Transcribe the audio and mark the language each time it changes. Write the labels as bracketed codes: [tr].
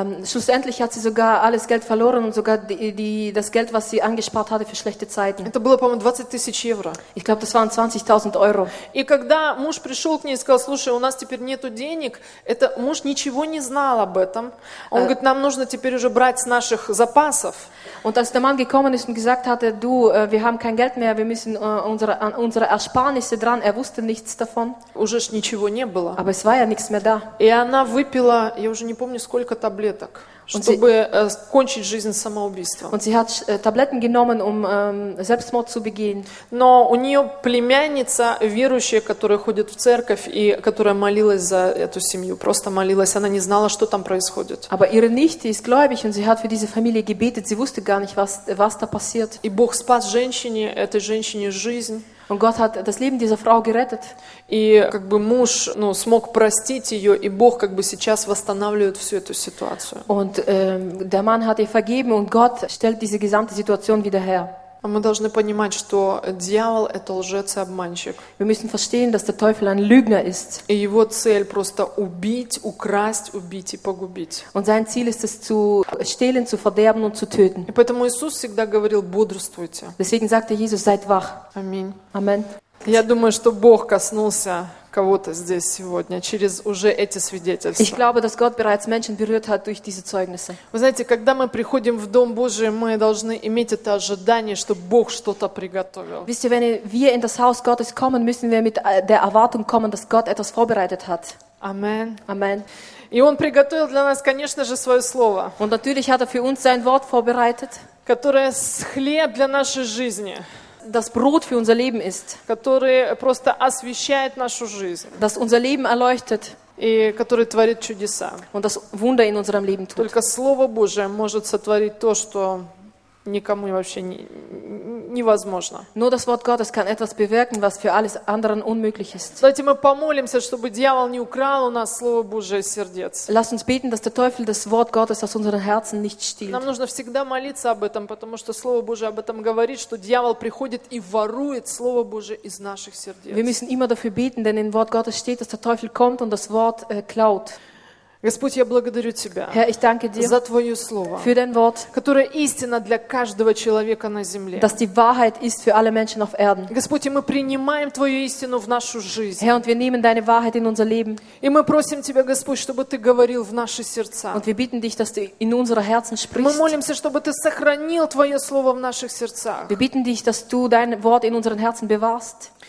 [de] Schlussendlich hat sie sogar alles Geld verloren und sogar das Geld, was sie angespart hatte für schlechte Zeiten. [ru] Это было, по-моему, 20 тысяч евро. [de] Ich glaube, das waren 20.000 Euro. [ru] И когда муж пришел к ней и сказал, слушай, у нас теперь нету денег, это муж ничего не знал об этом. Он говорит, нам нужно теперь уже брать с наших запасов. [de] Und als der Mann gekommen ist und gesagt hatte, du, wir haben kein Geld mehr, wir müssen unsere Ersparnisse dran, wusste nichts davon. [ru] Уже ж ничего не было. [de] Aber es war ja nichts mehr da. [ru] И она выпила, я уже не помню, сколько там таблеток, чтобы кончить жизнь самоубийством. [de] Und sie hat Tabletten genommen, um Selbstmord zu begehen. [ru] Но у нее племянница верующая, которая ходит в церковь и которая молилась за эту семью, просто молилась, она не знала, что там происходит. [de] Aber ihre Nichte ist gläubig und sie hat für diese Familie gebetet. Sie wusste gar nicht, was da passiert. [ru] И Бог спас женщине, этой женщине жизнь. [de] Und Gott hat das Leben dieser Frau gerettet. [ru] И как бы муж, ну, смог простить ее, и Бог как бы сейчас восстанавливает всю эту ситуацию. [de] Und der Mann hat ihr vergeben und Gott stellt diese gesamte Situation wieder her. [ru] Мы должны понимать, что дьявол – это лжец и обманщик. [de] Wir müssen verstehen, dass der Teufel ein Lügner ist. [ru] И его цель – просто убить, украсть, убить и погубить. [de] Und sein Ziel ist es, zu stehlen, zu verderben und zu töten. [ru] И поэтому Иисус всегда говорил «бодрствуйте». [de] Deswegen sagte Jesus «seid wach». [ru] Аминь. Аминь. Я думаю, что Бог коснулся кого-то здесь сегодня через уже эти свидетельства. [de] Ich glaube, dass Gott bereits Menschen berührt hat durch diese Zeugnisse. [ru] Вы знаете, когда мы приходим в Дом Божий, мы должны иметь это ожидание, что Бог что-то приготовил. [de] Wisst ihr, wenn wir in das Haus Gottes kommen, müssen wir mit der Erwartung kommen, dass Gott etwas vorbereitet hat. Amen. Amen. [ru] И Он приготовил для нас, конечно же, свое слово. [de] Und natürlich hat er für uns sein Wort vorbereitet, [ru] которое хлеб для нашей жизни. [de] Das Brot für unser Leben ist, [ru] который просто освещает нашу жизнь, [de] das unser Leben erleuchtet, [ru] и который творит чудеса, [de] und das Wunder in unserem Leben tut. [ru] Только Слово Божие может сотворить то, что никому вообще невозможно. [de] Nur das Wort Gottes kann etwas bewirken, was für alles anderen unmöglich ist. [ru] Давайте мы помолимся, чтобы дьявол не украл у нас Слово Божие сердец. [de] Lass uns beten, dass der Teufel das Wort Gottes aus unseren Herzen nicht stiehlt. [ru] Нам нужно всегда молиться об этом, потому что Слово Божие об этом говорит, что дьявол приходит и ворует Слово Божие из наших сердец. [de] Wir müssen immer dafür beten, denn in Wort Gottes steht, dass der Teufel kommt und das Wort klaut. [ru] Господь, я благодарю Тебя, [de] Herr, ich danke dir [ru] за Твое Слово, [de] für dein Wort, [ru] которое истина для каждого человека на земле. [de] Dass die Wahrheit ist für alle Menschen auf Erden. [ru] Господь, и мы принимаем Твою истину в нашу жизнь. [de] Herr, und wir nehmen deine Wahrheit in unser Leben. [ru] И мы просим Тебя, Господь, чтобы Ты говорил в наши сердца. [de] Und wir bitten dich, dass du in unsere Herzen sprichst. [ru] Мы молимся, чтобы Ты сохранил Твое Слово в наших сердцах. [de] Wir bitten dich, dass du dein Wort in unseren Herzen bewahrst.